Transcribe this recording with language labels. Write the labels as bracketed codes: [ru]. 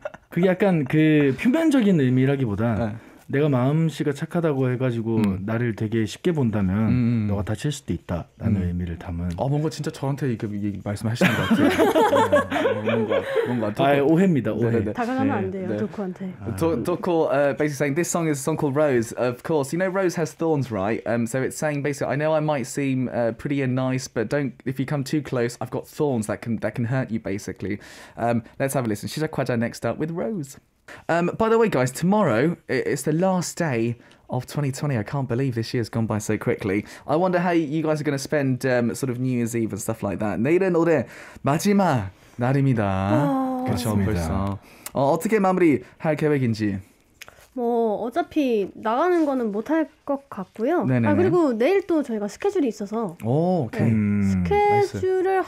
[ko] 그게 약간 그 표면적인 의미라기보단 네. 내가 마음씨가 착하다고 해가지고 나를 되게 쉽게 본다면 너가 다칠 수도 있다 라는 의미를 담은 뭔가 진짜 저한테 이렇게 말씀하시는 것 같아요. 뭔가 도코. 아, 오해입니다. 오해. 네, 네. 다가가면 네. 안 돼요. 네. 도코한테. [en] 도코 basically saying this song is a song called Rose. Of course, you know Rose has thorns, right? So it's saying basically I know I might seem pretty and nice but don't if you come too close I've got thorns that can hurt you basically. Let's have a listen. 시작 과자 next up with Rose. By the way, guys, tomorrow it's the last day of 2020. I can't believe this year has gone by so quickly. I wonder how you guys are going to spend sort of New Year's Eve and stuff like that. [ko] 내일은 올해 마지막 날입니다. 그렇죠, 벌써. 어떻게 마무리할 계획인지? 뭐 어차피 나가는 거는 못할 것 같고요. 네네네. 아 그리고 내일 또 저희가 스케줄이 있어서 오, 오케이. 네. 스케줄을 나이스.